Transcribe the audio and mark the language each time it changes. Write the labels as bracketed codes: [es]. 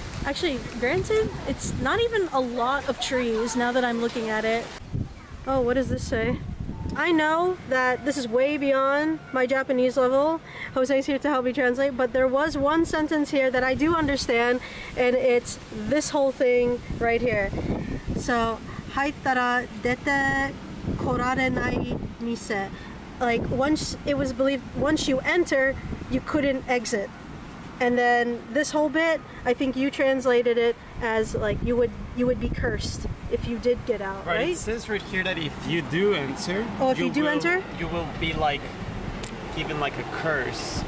[en] Actually, granted, it's not even a lot of trees now that I'm looking at it. Oh, what does this say? I know that this is way beyond my Japanese level. Jose's here to help me translate, but there was one sentence here that I do understand, and it's this whole thing right here. [ja] So, 入ったら出てこられない店. [en] Like, once it was believed, once you enter, you couldn't exit. And then this whole bit, I think you translated it as like you would be cursed if you did get out, right? It says right here that if you do enter, you will be like given like a curse.